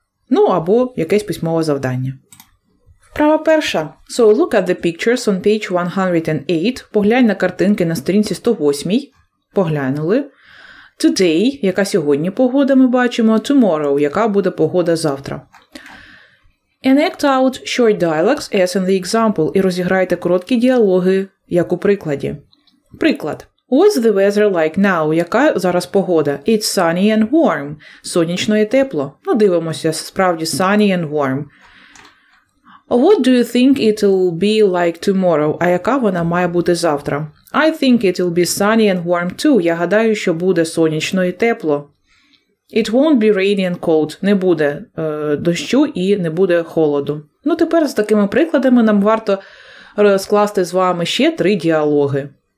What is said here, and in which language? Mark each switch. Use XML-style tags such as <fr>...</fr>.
<uk>Ну, або якесь письмове завдання. Вправа перша.</uk> <en>So, look at the pictures on page 108.</en> <uk>Поглянь на картинки на сторінці 108. Поглянули. Today, яка сьогодні погода, ми бачимо. Tomorrow, яка буде погода завтра.</uk> <en>Enact out short dialogues as in the example.</en> <uk>І розіграйте короткі діалоги, як у прикладі. Приклад.</uk> <en>What's the weather like now?</en> <uk>Яка зараз погода?</uk> <en>It's sunny and warm.</en> <uk>Сонячно і тепло. Ну, дивимося, справді</uk> <en>sunny and warm. What do you think it'll be like tomorrow?</en> <uk>А яка вона має бути завтра?</uk> <en>I think it'll be sunny and warm too.</en> <uk>Я гадаю, що буде сонячно і тепло.</uk> <en>It won't be rainy and cold.</en> <uk>Не буде дощу і не буде холоду. Ну, тепер з такими прикладами нам варто розкласти з вами ще три діалоги.</uk>